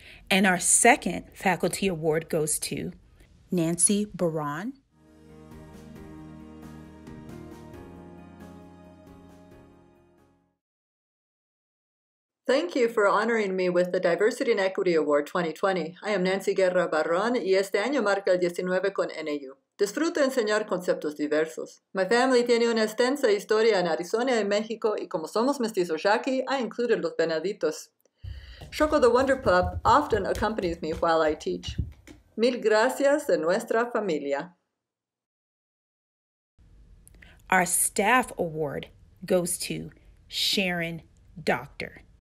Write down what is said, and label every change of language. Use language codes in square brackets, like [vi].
[en] And our second faculty award goes to Nancy Baron. Thank you for honoring me with the Diversity and Equity Award 2020. I am [es] Nancy Guerra Barrón, y este año marca el 19 con NAU. Disfruto enseñar conceptos diversos. [en] My family [es] tiene una extensa historia en Arizona y México, y como somos mestizos yaqui, [en] I included [es] los venaditos. [en] Choco the Wonder Pup often accompanies me while I teach. [es] Mil gracias de nuestra familia. [en] Our staff award goes to Sharon Doctor.